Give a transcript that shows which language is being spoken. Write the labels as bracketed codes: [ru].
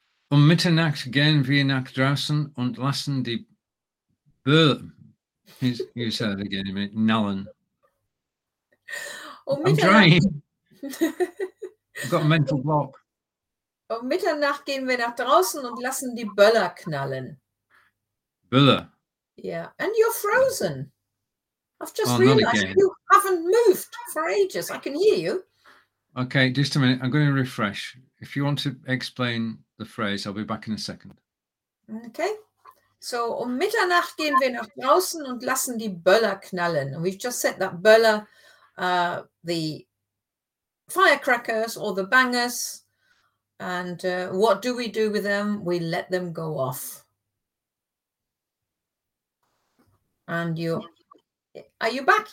[de] Um Mitternacht gehen wir nach draußen und lassen die Böller. [en] You said it again a minute. Nallen. I'm trying. I've got a mental block. [de] Um Mitternacht gehen wir nach draußen und lassen die Böller knallen. Böller. [en] Yeah, and you're frozen. I've just realised you haven't moved for ages. I can hear you. Okay, just a minute. I'm going to refresh. If you want to explain the phrase, I'll be back in a second. Okay. [de] So, um Mitternacht gehen wir nach draußen und lassen die Böller knallen. [en] And we've just said that Böller, the firecrackers or the bangers. And what do we do with them? We let them go off. And you're... Are you back?